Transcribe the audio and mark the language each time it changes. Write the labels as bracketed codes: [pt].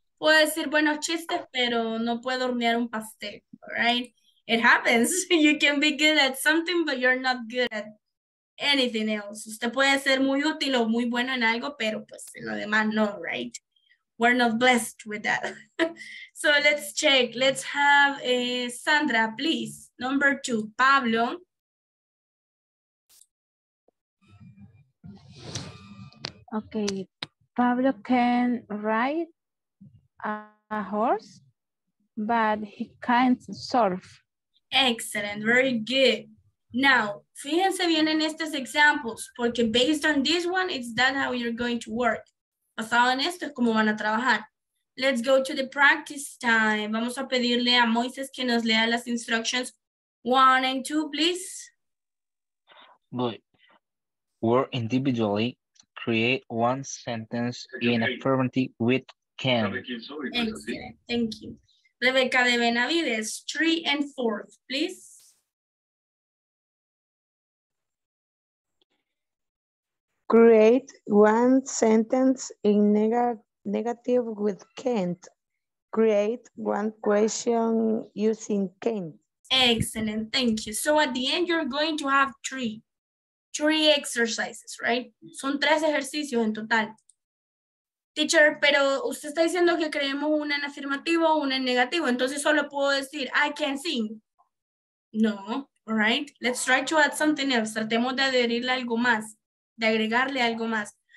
[es] Puedo decir buenos chistes, pero no puedo hornear un pastel, [en] right? It happens. You can be good at something, but you're not good at anything else. [es] Usted puede ser muy útil o muy bueno en algo, pero pues en lo demás no, right? [en] We're not blessed with that. So let's check. Let's have Sandra, please. Number two, Pablo. Okay. Pablo can ride a horse, but he can't surf. Excellent, very good. Now, [es] fíjense bien en estos [en] examples, porque based on this one, it's that how you're going to work. [es] Basado en esto, es como van a trabajar. [en] Let's go to the practice time. [es] Vamos a pedirle a Moises que nos lea las instructions. [en] One and two, please. Good. Work individually. Create one sentence in affirmative with can. Excellent. Thank you. Rebecca de Benavides, three and fourth, please. Create one sentence in negative with can't. Create one question using can't. Excellent. Thank you. So at the end, you're going to have three. Three exercises, right? [es] Son tres ejercicios en total. Teacher, pero usted está diciendo que creemos una en afirmativo o una en negativo. Entonces solo puedo decir, [en] I can sing. [es] No, right? [en] Let's try to add something else. [es] Tratemos de adherirle algo más, [en] de agregarle algo más.